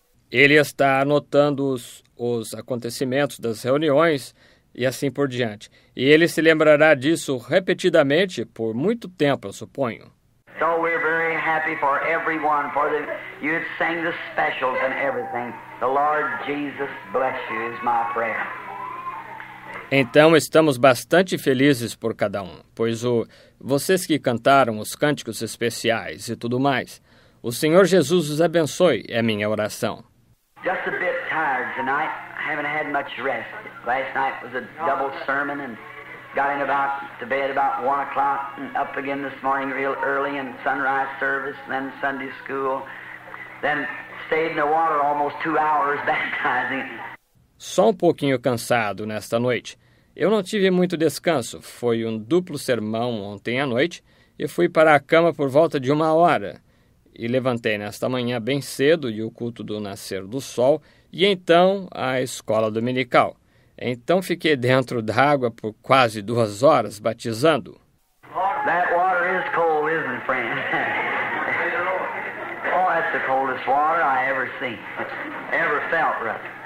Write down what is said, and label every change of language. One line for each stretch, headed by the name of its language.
Portuguese: Ele está anotando os acontecimentos das reuniões e assim por diante. E ele se lembrará disso repetidamente por muito tempo, eu suponho.
English: So we're very happy for everyone, for the you'd sing the specials and everything. The Lord Jesus bless you is my prayer.
Portuguese: Então estamos bastante felizes por cada um, pois vocês que cantaram os cânticos especiais e tudo mais, o Senhor Jesus os abençoe, é minha oração.
English: Just a bit tired tonight. I haven't had much rest. Last night was a double sermon and got in about to bed about 1 o'clock and up again this morning real early in sunrise service, then Sunday school, then stayed in the water almost 2 hours baptizing.
Portuguese: Só um pouquinho cansado nesta noite. Eu não tive muito descanso. Foi um duplo sermão ontem à noite e fui para a cama por volta de 1 hora. E levantei nesta manhã bem cedo e o culto do nascer do sol e então a escola dominical. Então fiquei dentro d'água por quase 2 horas batizando.
English: That water is cold, isn't it, friend? Oh, that's the coldest water I ever seen. Ever felt, right?